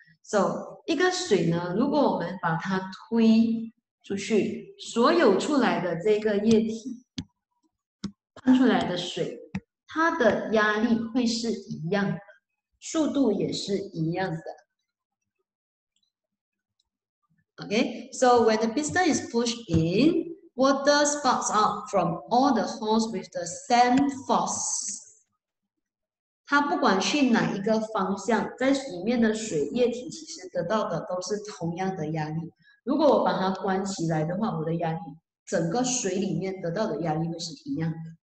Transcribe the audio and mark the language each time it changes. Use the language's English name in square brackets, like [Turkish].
[Chinese] So，一个水呢，如果我们把它推出去，所有出来的这个液体，喷出来的水，它的压力会是一样的，速度也是一样的。 [English] OK，so、okay? when the piston is pushed in, water spouts out from all the holes with the same force. [Chinese] 它不管去哪一个方向，在里面的水液体其实得到的都是同样的压力。如果我把它关起来的话，我的压力，整个水里面得到的压力会是一样的。